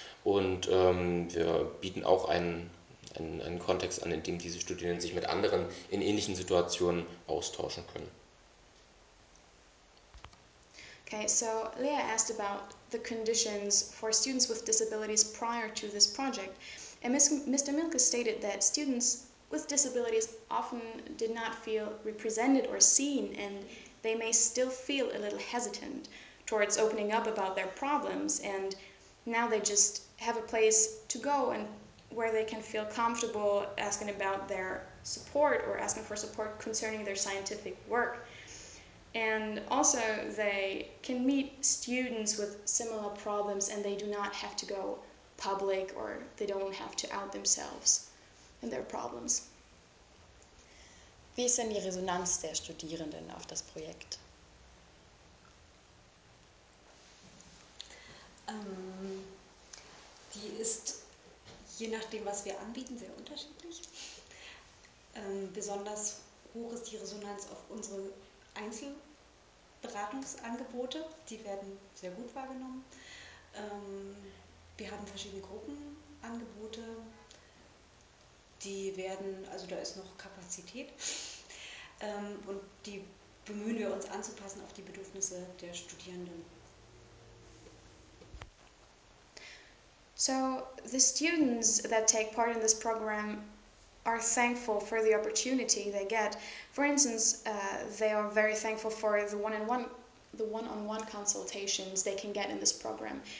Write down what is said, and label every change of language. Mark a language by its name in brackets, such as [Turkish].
[German] Und wir bieten auch einen Kontext an, in dem diese Studierenden sich mit anderen in ähnlichen Situationen austauschen können. [English] Okay, so Leah asked about the conditions for students with disabilities prior to this project. And Mr. Mielke stated that students with disabilities often did not feel represented or seen, and they may still feel a little hesitant towards opening up about their problems. And now they just have a place to go and where they can feel comfortable asking about their support or asking for support concerning their scientific work. And also, they can meet students with similar problems and they do not have to go public or they don't have to out themselves and their problems. [German] Wie ist denn die Resonanz der Studierenden auf das Projekt? Die ist je nachdem, was wir anbieten, sehr unterschiedlich. Besonders hoch ist die Resonanz auf unsere Einzel Beratungsangebote, die werden sehr gut wahrgenommen. Wir haben verschiedene Gruppenangebote, die werden, also da ist noch Kapazität. Und die bemühen wir uns anzupassen auf die Bedürfnisse der Studierenden. [English] So the students that take part in this program are thankful for the opportunity they get. For instance, they are very thankful for the one-on-one consultations they can get in this program.